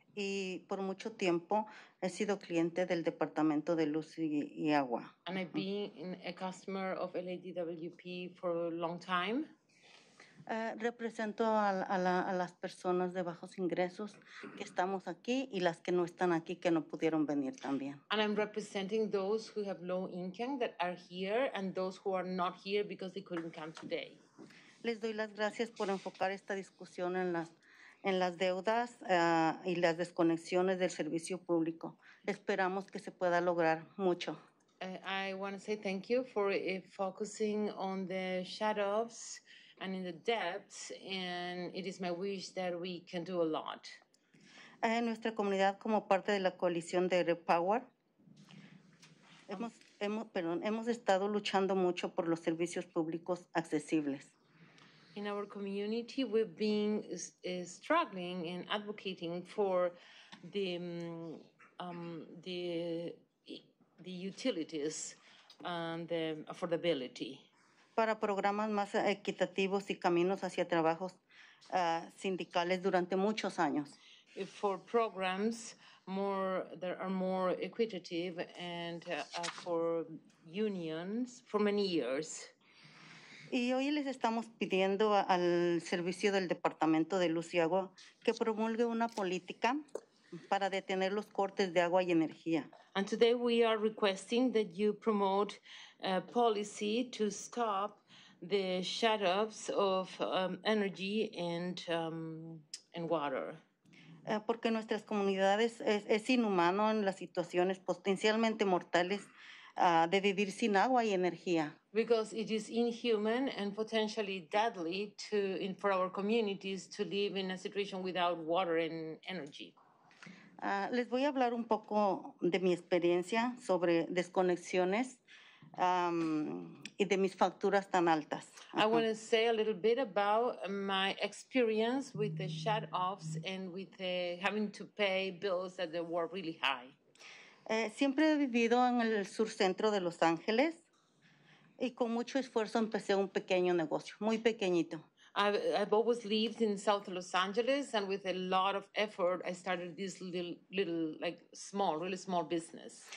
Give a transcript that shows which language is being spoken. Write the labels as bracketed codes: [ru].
[es] Y por mucho tiempo he sido cliente del Departamento de Luz y Agua. [en] And I've been a customer of LADWP for a long time. [es] Represento a las personas de bajos ingresos que estamos aquí y las que no están aquí que no pudieron venir también. [en] And I'm representing those who have low income that are here and those who are not here because they couldn't come today. [es] Les doy las gracias por enfocar esta discusión en las deudas y las desconexiones del servicio público. Esperamos que se pueda lograr mucho. [en] I want to say thank you for focusing on the shutoffs and in the depths, and it is my wish that we can do a lot. [es] En nuestra comunidad, como parte de la coalición de Repower, hemos estado luchando mucho por los servicios públicos accesibles. [en] In our community, we've been struggling and advocating for the utilities and the affordability. [es] Para programas más equitativos y caminos hacia trabajos sindicales durante muchos años. [en] For programs more that are more equitative and for unions for many years. [es] Y hoy les estamos pidiendo al servicio del Departamento de Luz y Agua que promulgue una política para detener los cortes de agua y energía. [en] And today we are requesting that you promote a policy to stop the shutoffs of energy and water. [es] Porque nuestras comunidades es inhumano en las situaciones potencialmente mortales de vivir sin agua y energía. [en] Because it is inhuman and potentially deadly to for our communities to live in a situation without water and energy. [es] Les voy a hablar un poco de mi experiencia sobre desconexiones y de mis facturas tan altas. [en] I want to say a little bit about my experience with the shutoffs and with having to pay bills that were really high. [es] Siempre he vivido en el sur centro de Los Ángeles y con mucho esfuerzo empecé un pequeño negocio, muy pequeñito. [en] I've always lived in South Los Angeles, and with a lot of effort, I started this little, small, really small business.